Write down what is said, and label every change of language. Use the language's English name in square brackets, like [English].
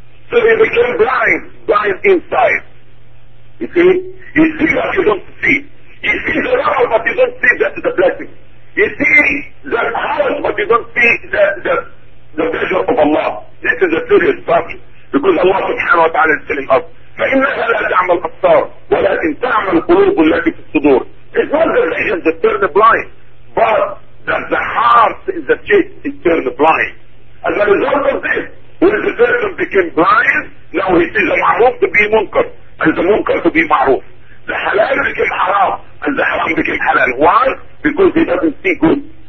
[English] So you became blind inside. You see? You see what you don't see. You see the law, but you don't see that is a blessing. You see the house, but you don't see the pleasure of Allah. This is a serious problem. Because Allah subhanahu wa ta'ala is telling us, [Arabic] فَإِنَّهَا لَا تَعْمَ الْأَبْصَارُ وَلَا إِنْ تَعْمَ الْقُلُوبُ الَّتِي فِي الصُّدُورِ. [English] It's not the vision that turn the blind, but that the heart is the chest that turn the blind. As a result of this, when the person became blind, now he sees the ma'ruf to be munkar, and the munkar to be ma'ruf. The halal became haram, and the haram became halal. Why? Because he doesn't see good.